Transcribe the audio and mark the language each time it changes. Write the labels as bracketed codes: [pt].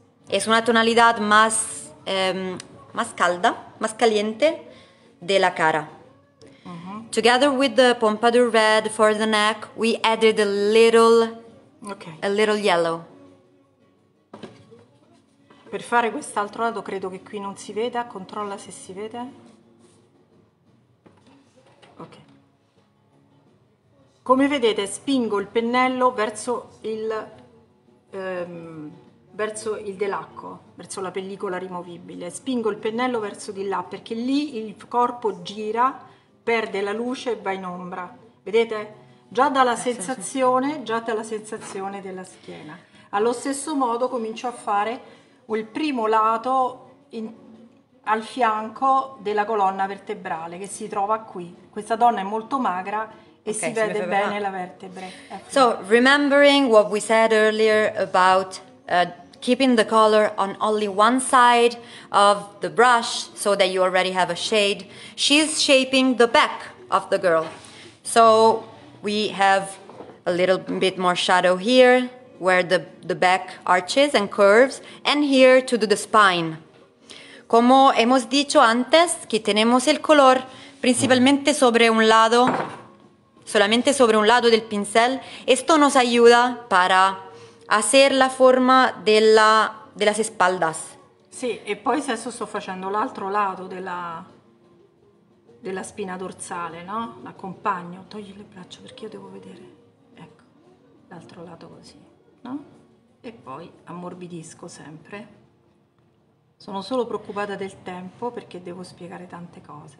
[es] Es una tonalidad más, más calda, más caliente de la cara. Uh-huh. [en] Together with the Pompadour Red for the neck, we added a little yellow. [it] Per fare quest'altro lato, credo che qui non si veda. Controlla se si vede. Ok. Come vedete, spingo il pennello verso il delacco, verso la pellicola rimovibile. Spingo il pennello verso di là, perché lì il corpo gira, perde la luce e va in ombra. Vedete? Già dalla sensazione, già dalla sensazione della schiena. Allo stesso modo comincio a fare il primo lato al fianco della colonna vertebrale, che si trova qui. Questa donna è molto magra. Okay, si vede bene la vertebra. [en] So, remembering what we said earlier about keeping the color on only one side of the brush so that you already have a shade, she's shaping the back of the girl. So, we have a little bit more shadow here where the back arches and curves, and here to do the spine. [es] Como hemos dicho antes, que tenemos el color principalmente sobre un lado. Solamente sobre un lado del pincel, esto nos ayuda para hacer la forma de las espaldas. Sí, y [it] poi adesso sto facendo l'altro lato della spina dorsale, no? L'accompagno, togli le braccia perché io devo vedere. Ecco, l'altro lato così, no? E poi ammorbidisco sempre. Sono solo preoccupata del tempo perché devo spiegare tante cose.